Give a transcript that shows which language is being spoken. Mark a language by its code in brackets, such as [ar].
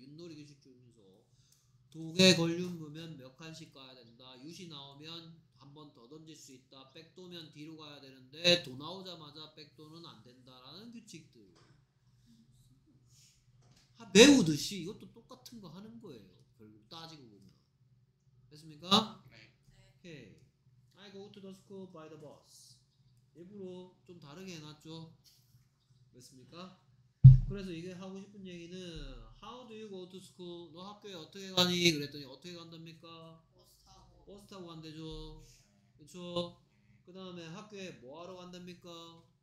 [ko] 윷놀이 규칙 중에서 독에 걸륜 보면 몇 칸씩 가야 된다. 윷이 나오면 한 번 더 던질 수 있다. 백도면 뒤로 가야 되는데 도 나오자마자 백도는 안 된다라는 규칙들. 하, 배우듯이 이것도 똑같은 거 하는 거예요. 결국 따지고 보면. 됐습니까? 네. [en] Okay. I go to the school by the bus. [ko] 일부러 좀 다르게 해놨죠. 됐습니까? 그래서 이게 하고 싶은 얘기는 How do you go to school? 너 학교에 어떻게 가니? 그랬더니 어떻게 간답니까? 버스 타고 간대죠. 그쵸? 그 다음에 학교에 뭐하러 간답니까?